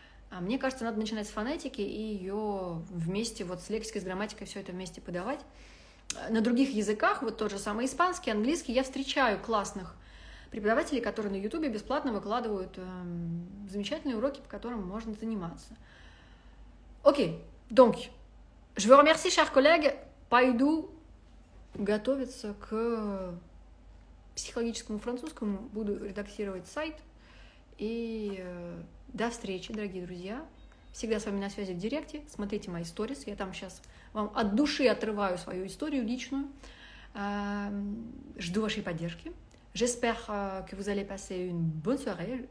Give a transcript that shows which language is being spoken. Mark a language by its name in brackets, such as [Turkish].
[Russian] А мне кажется, надо начинать с фонетики и ее вместе, вот с лексикой, с грамматикой все это вместе подавать. На других языках, вот тот же самый испанский, английский, я встречаю классных преподавателей, которые на Ютубе бесплатно выкладывают замечательные уроки, по которым можно заниматься. Окей, [French] donc, je vous remercie, chers collègues. [Russian] Пойду готовиться к психологическому французскому, буду редактировать сайт. И до встречи, дорогие друзья. Всегда с вами на связи в директе. Смотрите мои сторис, я там сейчас вам от души отрываю свою историю личную. Жду вашей поддержки. [French] J'espère que vous allez passer une bonne soirée.